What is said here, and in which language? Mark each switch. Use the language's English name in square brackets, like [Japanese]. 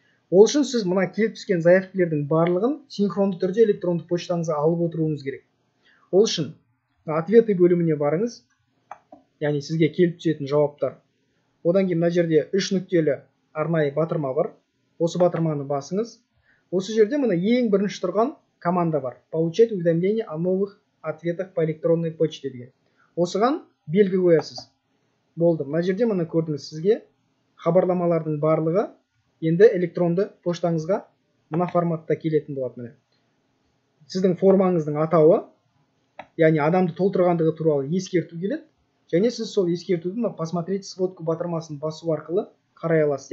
[Kazakh] Ол үшін сіз мына келіп түскен заявкілердің барлығын синхронды түрде электронды почтаңызға алып отыруыңыз керек. Ол үшін ответы бөліміне барыңыз, яғни сізге келіп түсетін жауаптар. Одан кейін мына жерде үш нүктелі арнайы батырма бар. Осы батырманы басыңыз. Осы жерде мына ең бірінші тұрған команда бар. [Russian] Получать уведомление о новых ответах по электронной почте деген. [Kazakh] Осыған белгі қоясыз. Болды. Мына жерде мына көрдіңіз сізге хабарламалардың барлығы. Енді электронды поштаңызға мына форматта келетін болады міне. Сіздің формаңыздың атауы, яғни адамды толтырғандығы туралы ескерту келеді. Және сіз сол ескертудің [Russian] посмотреть сводку [Kazakh] батырмасын басу арқылы қарай аласыз.